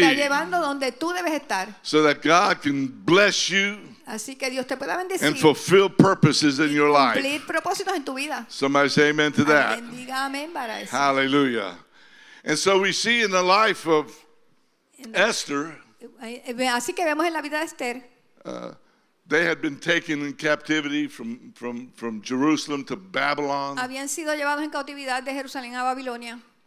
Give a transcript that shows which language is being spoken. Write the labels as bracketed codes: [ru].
[es] Está llevando donde tú debes estar. [en] So that God can bless you. [es] Así que Dios te pueda bendecir. [en] And fulfill purposes in your life. [es] Cumplir propósitos en tu vida. [en] Somebody say amen to that. [es] Bendiga, amén para eso. [en] Hallelujah. And so we see in the life of Esther. [es] Así que vemos en la vida de Esther. [en] They had been taken in captivity from Jerusalem to Babylon. [es] Habían sido llevados en cautividad de Jerusalén a Babilonia.